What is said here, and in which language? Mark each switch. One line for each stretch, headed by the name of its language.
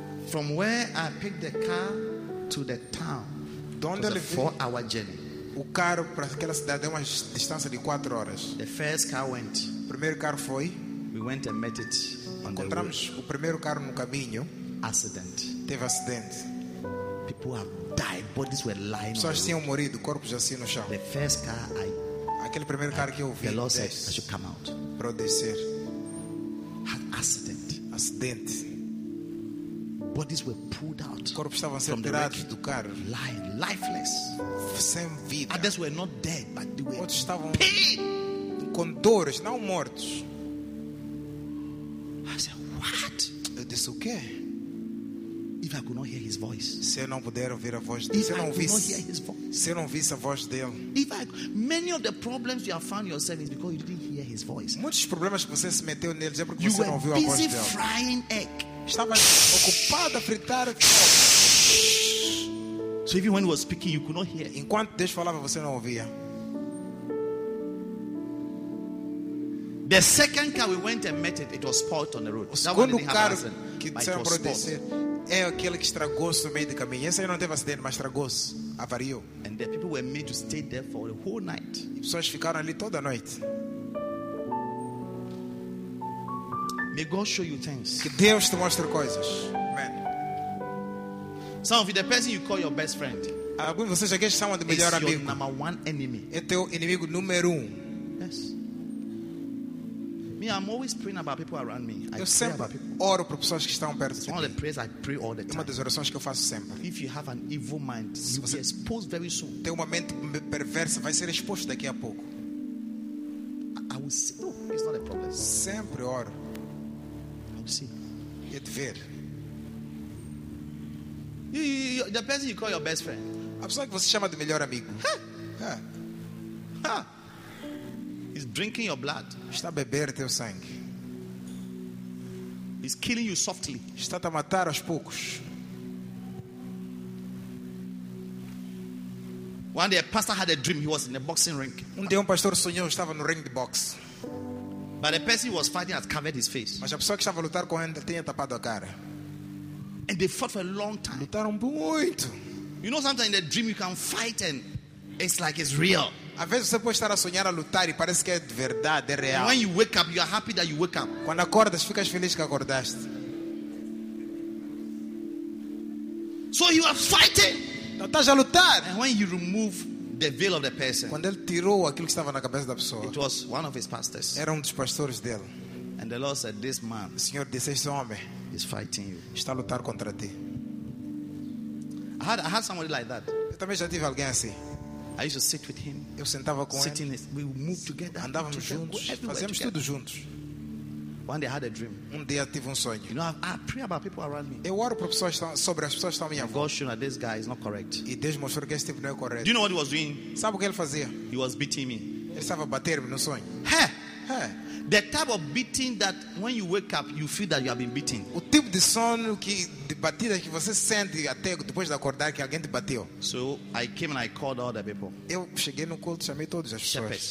English: From where I picked the car to the town.
Portuguese: Donde ele
English: a 4-hour journey.
Portuguese: O carro para aquela cidade é uma distância de 4 horas.
English: The first car went.
Portuguese: O primeiro carro foi.
English: We went and met it.
Portuguese: Encontramos o primeiro carro no caminho.
English: Accident.
Portuguese: Teve acidente.
English: People have died. Bodies were lying.
Portuguese: Pessoas tinham morrido, corpos assim no chão.
English: The first car I.
Portuguese: Aquele primeiro carro que eu vi.
English: The Lord said, I should come out.
Portuguese: Para descer.
English: Had accident.
Portuguese: Acidente.
English: Bodies were pulled out.
Portuguese: Corpos estavam sendo tirados do carro.
English: Lying, lifeless.
Portuguese: Sem vida.
English: Others were not dead, but they were.
Portuguese: Outros estavam
English: pain.
Portuguese: Com dores, não mortos.
English: I said, what?
Portuguese: Eu disse o quê?
English: If I could not hear his voice.
Portuguese: Se eu não puder ouvir a voz dele. Se eu não ouvisse a voz dele.
English: If I, many of the problems you have found yourself is because you didn't hear his voice.
Portuguese: Muitos problemas que você se meteu neles é porque
English: you
Portuguese: você não ouviu a voz dele.
English: Frying egg.
Portuguese: Estava ocupado a fritar.
English: So even when he was speaking, you could not hear.
Portuguese: Enquanto Deus falava, você não ouvia.
English: The second car we went and met it was parked on the road.
Portuguese: O segundo carro que disseram para descer é aquele que estragou-se no meio do caminho. Esse aí não teve acidente, mas estragou-se, avariou.
English: And the people were made to stay there for the whole night.
Portuguese: E pessoas ficaram ali toda a noite.
English: May God show you things.
Portuguese: Que Deus te mostre coisas. Amen.
English: Some of you, the person you call your best friend.
Portuguese: Alguns de vocês aqui chamam de melhor amigo.
English: Your number one enemy.
Portuguese: É teu inimigo número um.
English: Yes. Me, I'm always praying about people around me.
Portuguese: Eu sempre oro para pessoas que estão perto de mim.
English: One of the prayers I pray all the time.
Portuguese: Uma das orações que eu faço sempre.
English: If you have an evil mind, you will be exposed very soon.
Portuguese: Tem uma mente perversa, vai ser exposto daqui a pouco.
English: I will see. No, it's not a problem.
Portuguese: Sempre oro.
English: See.
Portuguese: É de ver.
English: You, the person you call your best friend.
Portuguese: A pessoa que você chama de melhor amigo. Ha. Ha.
English: Ha. He's drinking your blood.
Portuguese: Está a beber teu sangue.
English: He's killing you softly.
Portuguese: Está a matar aos poucos.
English: One day a pastor had a dream. He was in a boxing ring.
Portuguese: Um dia pastor sonhou, estava no ring de boxe.
English: But the person he was fighting had covered his face.
Portuguese: Mas a pessoa que estava a lutar com ele tinha tapado a cara.
English: And they fought for a long time.
Portuguese: Lutaram muito.
English: You know, sometimes in a dream you can fight and it's like it's real.
Portuguese: Às vezes você pode estar a sonhar a lutar e parece que é de verdade, é real.
English: And when you wake up, you are happy that you wake up.
Portuguese: Quando acordas, ficas feliz que acordaste.
English: So you are fighting.
Portuguese: Então estás a lutar.
English: And when you remove the veil of the person,
Portuguese: quando ele tirou aquilo que estava na cabeça da pessoa,
English: it was one of his pastors.
Portuguese: Era dos pastores dele.
English: And the Lord said, "This man,
Portuguese: o Senhor disse, este homem,
English: is fighting you.
Portuguese: Está a lutar contra ti."
English: I had somebody like that.
Portuguese: Eu também já tive alguém assim.
English: I used to sit with him.
Portuguese: Eu sentava com
English: sitting
Portuguese: ele.
English: We moved together.
Portuguese: Andávamos juntos. Fazíamos tudo juntos.
English: One day I had a dream.
Portuguese: Um dia tive sonho.
English: You know, I pray about people around me.
Portuguese: Eu oro para pessoas sobre as pessoas que estão à minha volta.
English: God showed me this guy is not correct.
Portuguese: E Deus mostrou que este tipo não é correto.
English: Do you know what he was doing?
Portuguese: Sabe o que ele fazia?
English: He was beating me.
Portuguese: Ele estava a bater-me no sonho.
English: The type of beating that when you wake up you feel that you have been beaten.
Portuguese: O tipo de sono que de batida que você sente até depois de acordar que alguém te bateu.
English: So I came and I called all the people.
Portuguese: Eu cheguei no culto, chamei todos as pessoas.